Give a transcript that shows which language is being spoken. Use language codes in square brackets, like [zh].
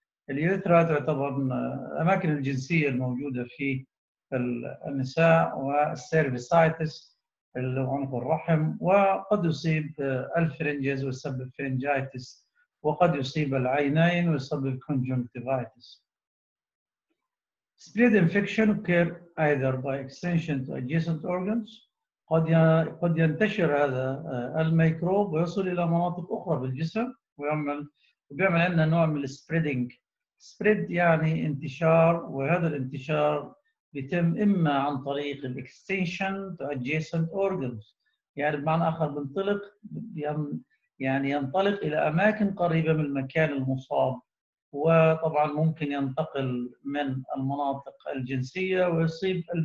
[ar] اليوريثرايتس يعتبر الأماكن الجنسية الموجودة في النساء، والسيرفيسايتس اللي هو عنق الرحم، وقد يصيب الفرنجز ويسبب فرنجايتس، وقد يصيب العينين ويسبب كونجونكتيفايتس. [en] Spread infection occur either by extension to adjacent organs. [ar] قد ينتشر هذا الميكروب ويصل إلى مناطق أخرى في الجسم وبيعمل عندنا نوع من السبريدنج. سبريد يعني انتشار، وهذا الانتشار بيتم إما عن طريق [en] الاكستنشن to adjacent organs، [ar] يعني بمعنى آخر بنطلق يعني ينطلق إلى أماكن قريبة من المكان المصاب، وطبعا ممكن ينتقل من المناطق الجنسية ويصيب